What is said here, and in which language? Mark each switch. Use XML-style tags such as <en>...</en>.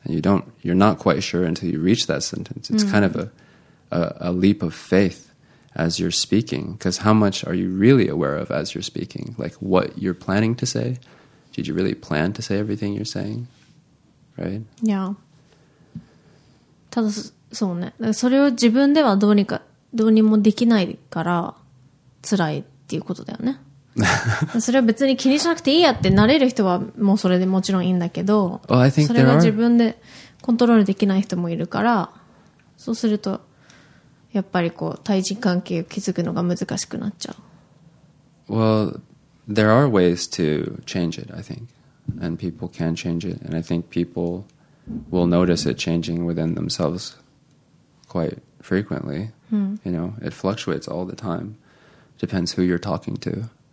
<en>And you don't, you're not quite sure until you reach that sentence. It's kind of a leap of faith as you're speaking. Because how much are you really aware of as you're speaking? Like what you're planning to say? Did you really plan to say everything you're saying? Right?</en> <ja>Yeah. ただ、そうね。それを自分ではどうにか、どうにもできないから辛いっていうことだよね。それは別に気にしなくていいやってなれる人はもうそれでもちろんいいんだけど、それが自分でコントロールできない人もいるから、そうするとやっぱりこう対人関係を築くのが難しくなっちゃう。</ja> <en>Well, there are ways to change it, I think, and people can change it, and I think people will notice it changing within themselves quite frequently. You know, it fluctuates all the time, depends who you're talking to.</en>